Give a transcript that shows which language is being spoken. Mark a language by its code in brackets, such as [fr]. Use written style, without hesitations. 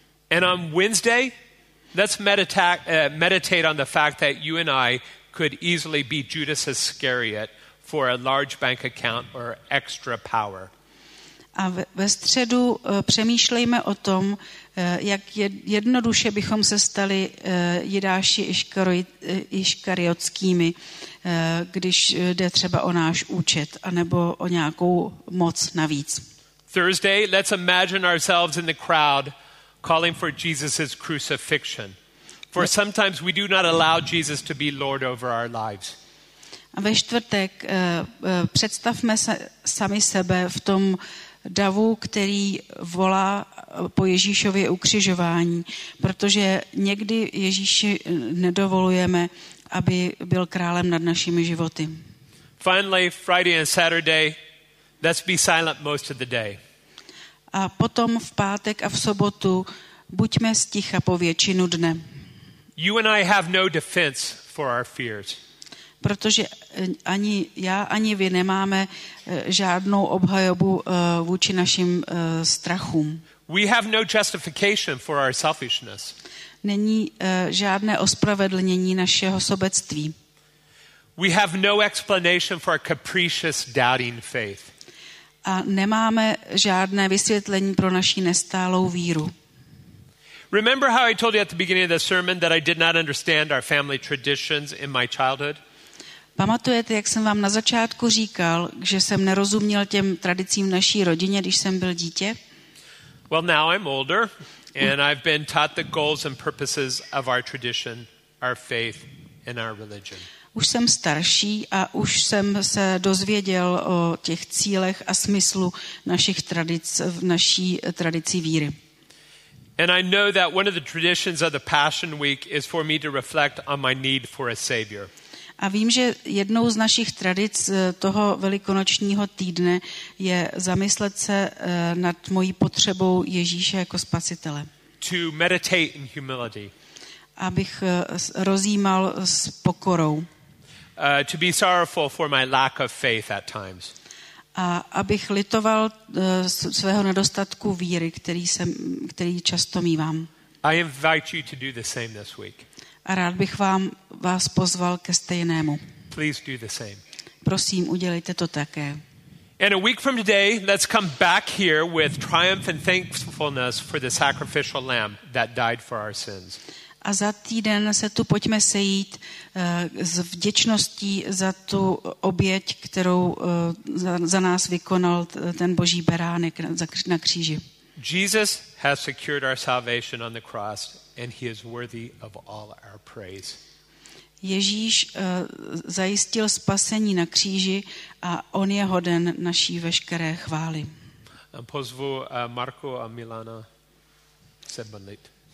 [en] And on Wednesday, let's meditate on the fact that you and I could easily be Judas Iscariot for a large bank account or extra power. [cs] A ve středu přemýšlejme o tom, jak jednoduše bychom se stali Jidáši Iškariotskými, když jde třeba o náš účet anebo o nějakou moc navíc. [en] Thursday, let's imagine ourselves in the crowd calling for Jesus's crucifixion. For sometimes we do not allow Jesus to be Lord over our lives. [cs] A ve čtvrtek představme se sami sebe v tom davu, který volá po Ježíšově ukřižování, protože někdy Ježíši nedovolujeme, aby byl králem nad našimi životy. [en] Finally, Friday and Saturday, let's be silent most of the day. [cs] A potom v pátek a v sobotu buďme sticha po většinu dne. [en] You and I have no defense for our fears. [cs] Protože ani já, ani vy nemáme žádnou obhajobu vůči našim strachům. [en] We have no justification for our selfishness. [cs] není žádné ospravedlnění našeho sobectví. [en] We have no explanation for a capricious doubting faith. [cs] A nemáme žádné vysvětlení pro naši nestálou víru. [en] Remember how I told you at the beginning of the sermon that I did not understand our family traditions in my childhood? [cs] Pamatujete, jak jsem vám na začátku říkal, že jsem nerozuměl těm tradicím naší rodině, když jsem byl dítě? [en] Well, now I'm older and I've been taught the goals and purposes of our tradition, our faith and our religion. [cs] Už jsem starší a už jsem se dozvěděl o těch cílech a smyslu našich tradic, v naší tradici víry. [en] And I know that one of the traditions of the Passion Week is for me to reflect on my need for a savior. [cs] A vím, že jednou z našich tradic toho velikonočního týdne je zamyslet se nad mojí potřebou Ježíše jako spasitele. [en] To meditate in humility. [cs] Abych rozjímal s pokorou. [en] To be sorrowful for my lack of faith at times. [cs] A abych litoval svého nedostatku víry, který často mívám. [en] I invite you to do the same this week. [cs] A rád bych vás pozval ke stejnému. [en] Please do the same. [cs] Prosím, udělejte to také. [en] And a week from today, let's come back here with triumph and thankfulness for the sacrificial lamb that died for our sins. [cs] A za týden se tu pojďme sejít s vděčností za tu oběť, kterou za nás vykonal ten Boží beránek na kříži. [en] Jesus has secured our salvation on the cross and he is worthy of all our praise. [cs] Ježíš zajistil spasení na kříži a on je hoden naší veškeré chvály. Pozvu Marku a Milana se modlit.